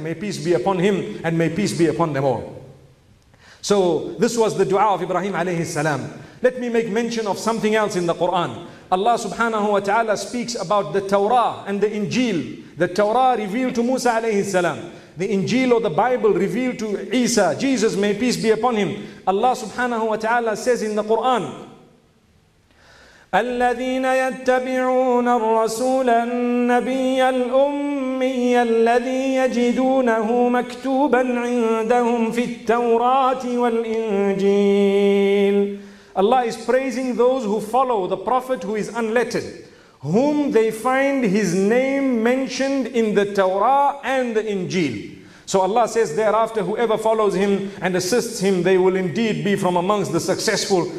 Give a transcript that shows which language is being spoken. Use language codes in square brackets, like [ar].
[en] May peace be upon him and may peace be upon them all. So this was the dua of Ibrahim alayhi salam. Let me make mention of something else in the Quran. Allah subhanahu wa ta'ala speaks about the Torah and the Injil. The Torah revealed to Musa alayhi salam. The Injil or the Bible revealed to Isa, Jesus, may peace be upon him. Allah subhanahu wa ta'ala says in the Quran, [ar] الذين يتبعون الرسول النبي الأمي الذي يجدونه مكتوبا عندهم في التوراة والإنجيل. [en] Allah is praising those who follow the prophet who is unlettered, whom they find his name mentioned in the Torah and the Injil. So Allah says thereafter, whoever follows him and assists him, they will indeed be from amongst the successful.